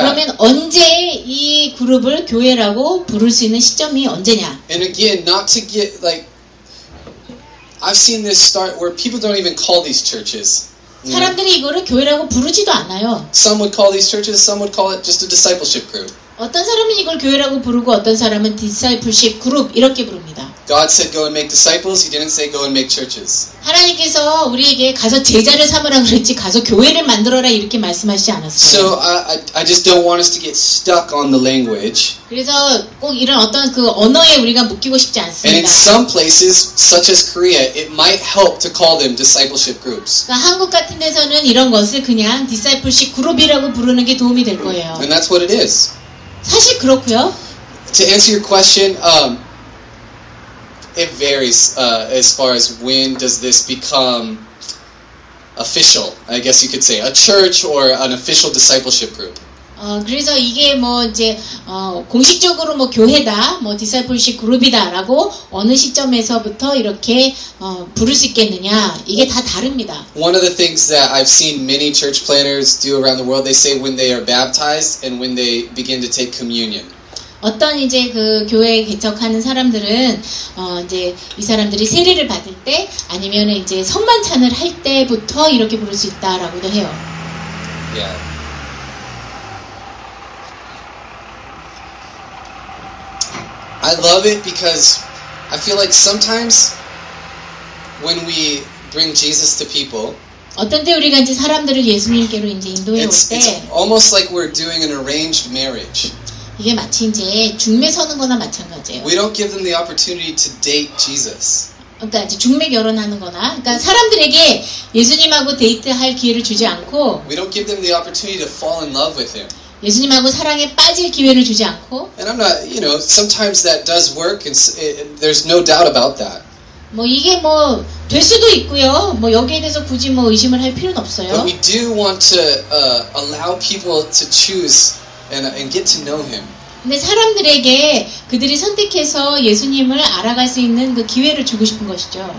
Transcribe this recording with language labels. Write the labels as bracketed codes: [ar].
[ko] 그러면 언제 이 그룹을 교회라고 부를 수 있는 시점이 언제냐? [en] And again, not to get like I've seen this start where people don't even call these churches. [ko] 사람들이 이거를 교회라고 부르지도 않아요. [en] Some would call these churches, some would call it just a discipleship group. [ko] 어떤 사람은 이걸 교회라고 부르고 어떤 사람은 discipleship group 이렇게 부릅니다. [en] God said go and make disciples. He didn't say go and make churches. [ko] 하나님께서 우리에게 가서 제자를 삼으라 그랬지 가서 교회를 만들어라 이렇게 말씀하시지 않았어요. [en] So I just don't want us to get stuck on the language. [ko] 그래서 꼭 이런 어떤 그 언어에 우리가 묶이고 싶지 않습니다. [en] And in some places, such as Korea, it might help to call them discipleship groups. [ko] 그러니까 한국 같은 데서는 이런 것을 그냥 discipleship group이라고 부르는 게 도움이 될 거예요. [en] And that's what it is. [ko] 사실 그렇고요. [en] To answer your question, it varies as far as when does this become official, I guess you could say. A church or an official discipleship group. [ko] 그래서 이게 뭐 이제 공식적으로 뭐 교회다, 뭐 discipleship group이다 라고 어느 시점에서부터 이렇게 부를 수 있겠느냐, 이게 다 다릅니다. [en] One of the things that I've seen many church planners do around the world, they say when they are baptized and when they begin to take communion. [ko] 어떤 이제 그 교회에 개척하는 사람들은 이제 이 사람들이 세례를 받을 때 아니면 이제 성만찬을 할 때부터 이렇게 부를 수 있다라고도 해요. [en] Yeah. I love it because I feel like sometimes when we bring Jesus to people [ko] 어떤 때 우리가 이제 사람들을 예수님께로 이제 인도해 올 때 [en] it's almost like we're doing an arranged marriage. [ko] 이게 마치 이제 중매 서는 거나 마찬가지예요. [en] We don't give them the opportunity to date Jesus. [ko] 그러니까 이제 중매 결혼하는 거나 그러니까 사람들에게 예수님하고 데이트할 기회를 주지 않고 [en] We don't give them the opportunity to fall in love with him. [ko] 예수님하고 사랑에 빠질 기회를 주지 않고 [en] And I'm not, you know, sometimes that does work and there's no doubt about that. [ko] 뭐 이게 뭐 될 수도 있고요. 뭐 여기에 대해서 굳이 뭐 의심을 할 필요는 없어요. [en] But we do want to allow people to choose and get to know him. [ko] 근데 사람들에게 그들이 선택해서 예수님을 알아갈 수 있는 그 기회를 주고 싶은 것이죠.